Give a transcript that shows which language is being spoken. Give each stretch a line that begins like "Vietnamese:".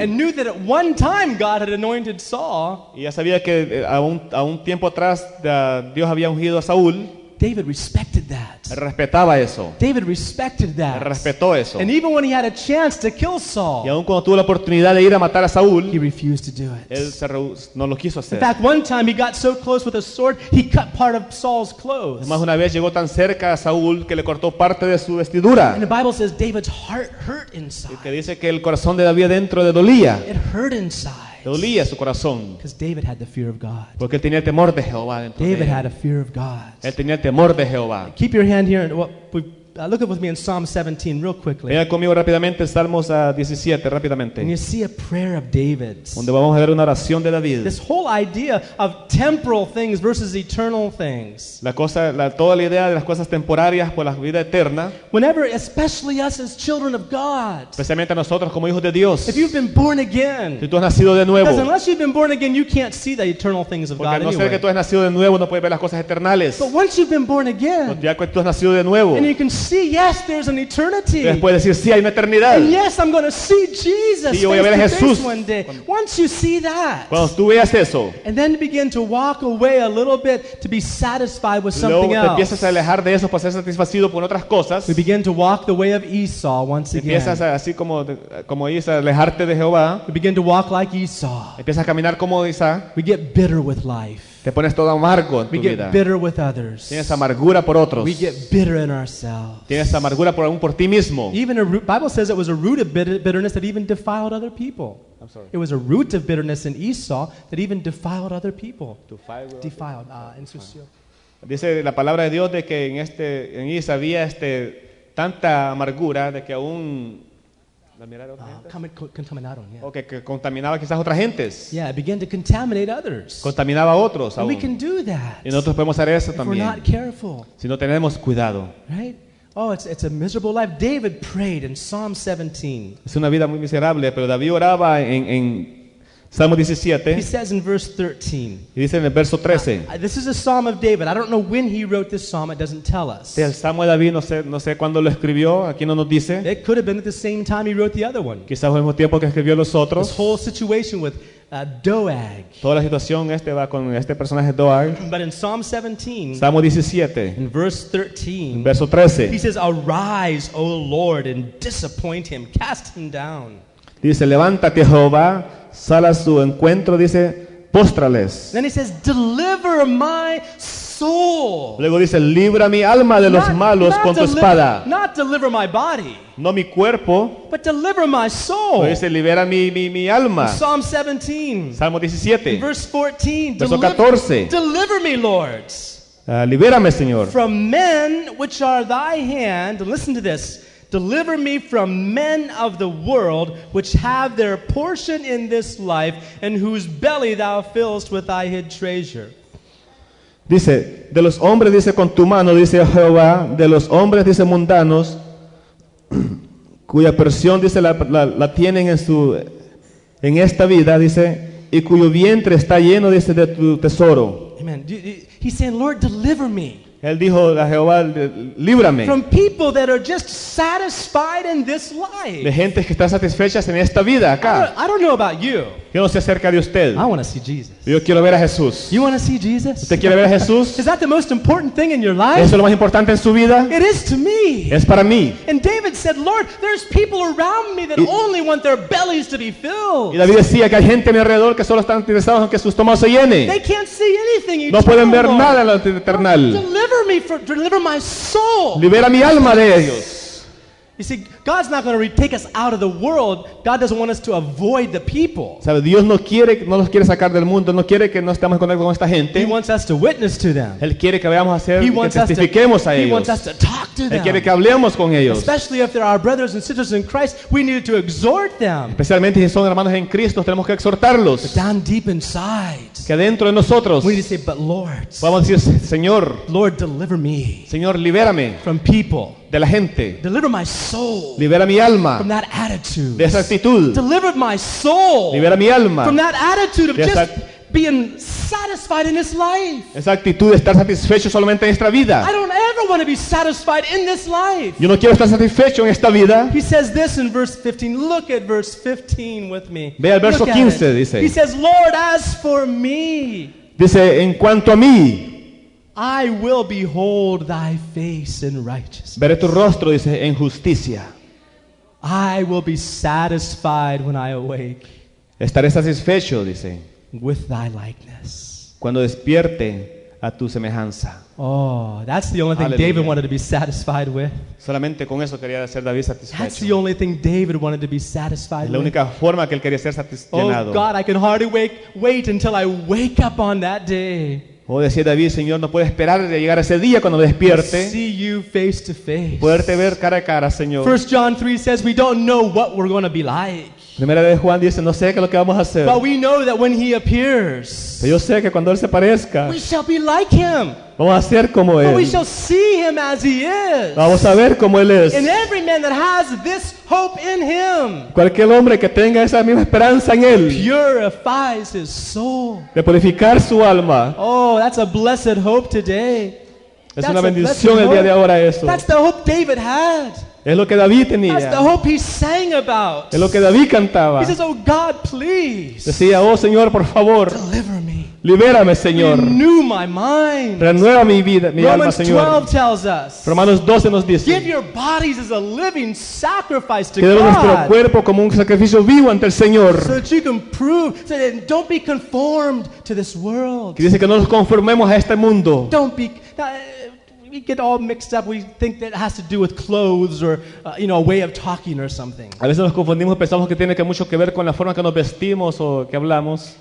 English: And knew that at one time God had anointed Saul.
Spanish: Y ya sabía que a un tiempo atrás Dios había ungido a Saúl.
English: David respected that.
Spanish: Respetaba eso.
English: David respected that.
Spanish: Respetó eso.
English: And even when he had a chance to kill Saul.
Spanish: Y aun cuando tuvo la oportunidad de ir a matar a Saúl.
English: He refused to do it.
Spanish: Él no lo quiso hacer.
English: In fact, one time he got so close with a sword, he cut part of Saul's clothes.
Spanish: Más una vez llegó tan cerca a Saúl que le cortó parte de su vestidura.
English: And the Bible says David's heart hurt inside.
Spanish: Y que dice que el corazón de David dentro le dolía.
English: It hurt inside.
Spanish: Dolía su corazón.
English: Because David had the fear of God.
Spanish: Porque él tenía el temor de Jehová dentro
English: David
Spanish: de él.
English: Had a fear of God.
Spanish: Él tenía el temor de Jehová.
English: Keep your hand here. Look up with me in Psalm 17 real quickly.
Spanish: Mira conmigo rápidamente, Salmos 17, rápidamente.
English: And you see a prayer of David.
Spanish: Donde vamos a ver una oración de David.
English: This whole idea of temporal things versus eternal things.
Spanish: Toda la idea de las cosas temporarias por la vida eterna.
English: Whenever, especially us as children of God.
Spanish: Especialmente nosotros como hijos de Dios.
English: If you've been born again.
Spanish: Si tú has nacido de nuevo.
English: Because unless you've been born again, you can't see the eternal things of God anyway.
Spanish: Porque no sé que tú has nacido de nuevo, no puedes ver las cosas eternales.
English: But once you've been born again.
Spanish: Ya que tú has nacido de nuevo.
English: And you can see, yes, there's an eternity.
Spanish: Puedes decir, sí, hay una eternidad.
English: And yes, I'm going to see Jesus
Spanish: sí,
English: face to
Spanish: Jesús
English: face one day. Once you see that,
Spanish: cuando tú veas eso,
English: and then begin to walk away a little bit to be satisfied with something else.
Spanish: Te empiezas a alejar de eso para ser satisfecho por otras cosas.
English: We begin to walk the way of Esau once again.
Spanish: Empiezas así como Esau, alejarte de Jehová.
English: We begin to walk like Esau.
Spanish: Empiezas a caminar como Esau.
English: We get bitter with life.
Spanish: Te pones todo amargo en
English: we
Spanish: tu
English: get
Spanish: vida.
English: Bitter with others.
Spanish: Tienes amargura por otros.
English: We get bitter in ourselves.
Spanish: Tienes amargura por ti mismo.
English: Even a Bible says it was a root of bitterness that even defiled other people. I'm sorry. It was a root of bitterness in Esau that even defiled other people. Defiled.
Spanish: Ensució. Dice la palabra de Dios de que en Esau había tanta amargura de que aún contaminaron,
English: yeah.
Spanish: Okay, que contaminaba quizás otras gentes.
English: Yeah, it began to contaminate others.
Spanish: Contaminaba otros.
English: And we can do that.
Spanish: Y nosotros podemos hacer eso también.
English: If we're not careful.
Spanish: Si no tenemos cuidado.
English: Right? Oh, it's a miserable life. David prayed in Psalm 17.
Spanish: Es una vida muy miserable, pero David oraba en Salmo 17.
English: He says in verse 13.
Spanish: Y dice en el verso 13.
English: This is a Psalm of David. I don't know when he wrote this Psalm. It doesn't tell us.
Spanish: El Salmo de David, no sé cuándo lo escribió. Aquí no nos dice.
English: It could have been at the same time he wrote the other one.
Spanish: Quizás al mismo tiempo que escribió los otros.
English: This whole situation with Doeg.
Spanish: Toda la situación este va con este personaje Doeg.
English: But in Psalm 17.
Spanish: Salmo 17.
English: In verse 13.
Spanish: En verso 13.
English: He says, "Arise, O Lord, and disappoint him. Cast him down."
Spanish: Dice, levántate, Jehová, sal a su encuentro, dice, póstrales.
English: Then he says, deliver my soul.
Spanish: Luego dice, libra mi alma de los malos con tu espada.
English: Not deliver my body.
Spanish: No mi cuerpo.
English: But deliver my soul.
Spanish: Pero dice, libera mi alma.
English: In Psalm 17.
Spanish: Salmo 17.
English: In verse 14.
Spanish: Verso 14.
English: Deliver me, Lord.
Spanish: Libérame, Señor.
English: From men which are thy hand. Listen to this. Deliver me from men of the world which have their portion in this life and whose belly thou fillest with thy hid treasure.
Spanish: Dice, de los hombres, dice, con tu mano, dice Jehová, de los hombres, dice, mundanos, cuya porción, dice, la tienen en esta vida, dice, y cuyo vientre está lleno, dice, de tu tesoro.
English: Amen. He's saying, Lord, deliver me.
Spanish: Él dijo a Jehová, líbrame.
English: From people that are just satisfied in this life.
Spanish: De gente que está satisfecha en esta vida acá.
English: I don't know about you.
Spanish: Yo no sé acerca de usted.
English: I want to see Jesus.
Spanish: Yo quiero ver a Jesús.
English: You want to see Jesus?
Spanish: ¿Usted quiere ver a Jesús?
English: Is that the most important thing in your life?
Spanish: ¿Eso es lo más importante en su vida?
English: It is to me.
Spanish: Es para mí.
English: And David said, Lord, there's people around me that only want their bellies to be filled.
Spanish: Y David decía que hay gente a mi alrededor que solo están interesados en que su estómago se llene.
English: They can't see anything eternal.
Spanish: No pueden ver nada en lo eternal.
English: Deliver my soul.
Spanish: Libera mi alma de ellos.
English: You see, God's not going to take us out of the world. God doesn't want us to avoid the people.
Spanish: Sabe, Dios no los quiere sacar del mundo. No quiere que no estemos en contacto con esta gente.
English: He wants us to witness to them.
Spanish: Él quiere que vayamos a hacer y testifiquemos a ellos.
English: He wants us to talk to them.
Spanish: Él quiere que hablemos con ellos.
English: Especially if they're our brothers and sisters in Christ, we need to exhort them.
Spanish: Especialmente si son hermanos en Cristo, tenemos que exhortarlos.
English: But down deep inside.
Spanish: Que dentro de nosotros.
English: We need to say, but Lord.
Spanish: Podemos decir, Señor.
English: Lord, deliver me.
Spanish: Señor, libérame.
English: From people.
Spanish: De la gente.
English: Deliver my soul.
Spanish: Libera mi alma.
English: From that attitude.
Spanish: De esa actitud.
English: Deliver my soul.
Spanish: Libera mi alma.
English: From that attitude of just being satisfied in this life.
Spanish: Esa actitud de estar satisfecho solamente en esta vida.
English: I don't ever want to be satisfied in this life.
Spanish: Yo no quiero estar satisfecho en esta vida.
English: He says this in verse 15. Look at verse 15 with me.
Spanish: Ve al verso 15, dice.
English: He says, Lord, as for me.
Spanish: Dice, en cuanto a mí.
English: I will behold thy face in righteousness.
Spanish: Veré tu rostro, dice, en justicia.
English: I will be satisfied when I awake.
Spanish: Estaré satisfecho, dice.
English: With thy likeness.
Spanish: Cuando despierte a tu semejanza.
English: Oh, that's the only thing
Spanish: Aleluya.
English: David wanted to be satisfied with.
Spanish: Solamente con eso quería ser David satisfecho.
English: That's the only thing David wanted to be satisfied with.
Spanish: La única forma que él quería ser satisfecho.
English: Oh God, I can hardly wait until I wake up on that day.
Spanish: O decía David, Señor, no puedo esperar de llegar ese día cuando me despierte.
English: See you face to face.
Spanish: Poderte ver cara a cara, Señor.
English: 1 John 3 says we don't know what we're going to be like.
Spanish: Primera de Juan dice, no sé qué es lo que vamos a hacer.
English: But we know that when he appears.
Spanish: Pero yo sé que cuando él se aparezca.
English: We shall be like him.
Spanish: Vamos a ser como él.
English: But we shall see him as he is.
Spanish: Vamos a ver cómo él es.
English: And every man that has this hope in him.
Spanish: Cualquier hombre que tenga esa misma esperanza en él.
English: Purifies his soul.
Spanish: De purificar su alma.
English: Oh, that's a blessed hope today.
Spanish: Es una bendición el día de ahora eso.
English: That's the hope David had.
Spanish: Es lo que David tenía.
English: That's the hope he sang about.
Spanish: Es lo que David cantaba.
English: He says, "Oh God, please."
Spanish: Decía, "Oh Señor, por favor."
English: Deliver me.
Spanish: Libérame, Señor.
English: Renew my mind.
Spanish: Renueva mi vida, mi
English: Romans
Spanish: alma, Señor.
English: Romans 12 tells us.
Spanish: Romanos 12 nos dice.
English: Give your bodies as a living sacrifice to God.
Spanish: Que demos nuestro cuerpo como un sacrificio vivo ante el Señor.
English: So that you can prove. So that don't be conformed to this world.
Spanish: Que dice que no nos conformemos a este mundo.
English: Don't be. we get all mixed up. We think that it has to do with clothes or you know, a way of talking or something.
Spanish: A veces nos confundimos y pensamos que tiene que mucho que ver con la forma que nos vestimos o que hablamos.